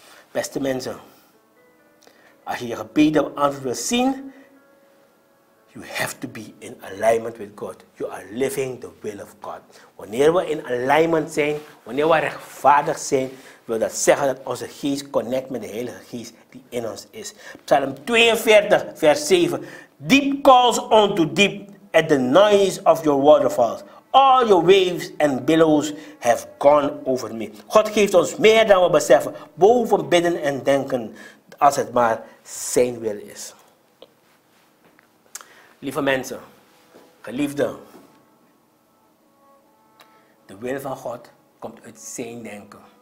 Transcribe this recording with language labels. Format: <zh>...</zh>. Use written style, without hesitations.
<nl>Beste mensen, als je je gebeden antwoord wil zien,</nl> <en>you have to be in alignment with God. You are living the will of God.</en> <nl>Wanneer we in alignment zijn, wanneer we rechtvaardig zijn, wil dat zeggen dat onze geest connect met de Heilige Geest die in ons is. Psalm 42, vers 7.</nl> <en>Deep calls unto deep at the noise of your waterfalls. All your waves and billows have gone over me.</en> <nl>God geeft ons meer dan we beseffen, boven bidden en denken, als het maar zijn wil is. Lieve mensen, geliefden, de wil van God komt uit zijn denken.</nl>